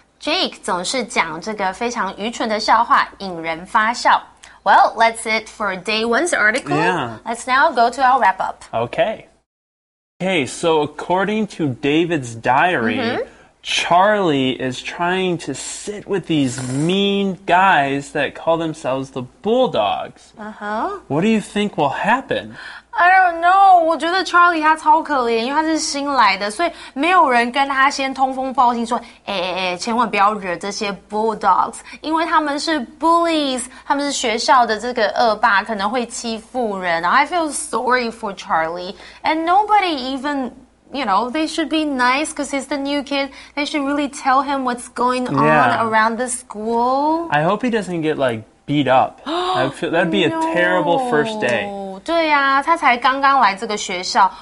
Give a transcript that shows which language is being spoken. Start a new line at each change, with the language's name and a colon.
Chinese: Jake 总是讲这个非常愚蠢的笑话引人发笑。
English: Well, that's it for day one's article. Yeah. Let's now go to our wrap up. Okay, so according to David's diary,、Charlie is trying to sit with these mean guys that call themselves the Bulldogs. What do you think will happen? I don't know.
Chinese: 我觉得 Charlie 他超可怜，因为他是新来的，所以没有人跟他先通风报信说，千万不要惹这些 Bulldogs, 因为他们是 bullies, 他们是学校的这个恶霸，可能会欺负人。
English: I feel sorry for Charlie, and nobody even... You know, they should be nice because he's the new kid. They should really tell him what's going on、around the school. I hope he doesn't get, like, beat up. I feel, that'd be a terrible first day.
Chinese: 对呀、他才刚刚来这个学校。